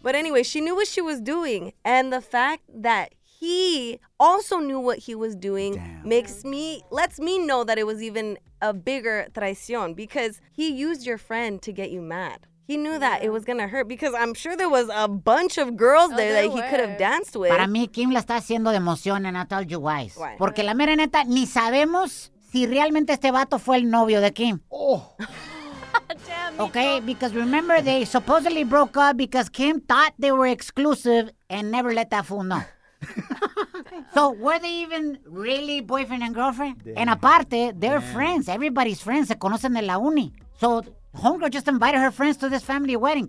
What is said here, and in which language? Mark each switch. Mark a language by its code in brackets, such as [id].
[en] But anyway, she knew what she was doing. And the fact that he also knew what he was doing lets me know that it was even a bigger traición because he used your friend to get you mad. He knew that it was going to hurt because I'm sure there was a bunch of girls there he could have danced with. [es] Para mí, Kim la está haciendo de emoción, [en] and I told you why. [es] Porque la mera neta, ni sabemos si realmente este vato fue el novio de Kim. [en] Oh. Damn, okay, because remember, they supposedly broke up because Kim thought they were exclusive and never let that fool know. So were they even really boyfriend and girlfriend? Damn. And aparte, they're friends. Everybody's friends. [es] Se conocen de la uni. [en] So homegirl just invited her friends to this family wedding.